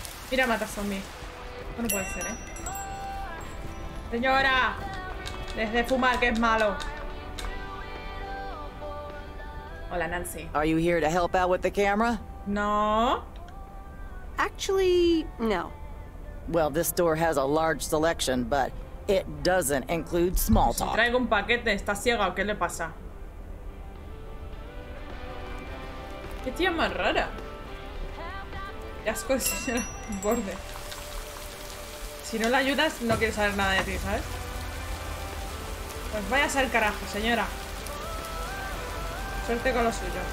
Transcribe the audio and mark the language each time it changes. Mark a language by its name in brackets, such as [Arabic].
[Spanish] Mira, mata a zombie. Esto no puede ser, Señora, deje de fumar, que es malo. Hola, Nancy. [English] Are you here to help out with the camera? No. Actually, no. Well, this store has a large selection, but it doesn't include small talk. [Spanish] Si traigo un paquete, ¿está ciega o qué le pasa? Qué tía más rara. Ya has conseguido el borde. Si no la ayudas, no quiero saber nada de ti, ¿sabes? Pues váyase al carajo, señora. Suerte con lo suyo.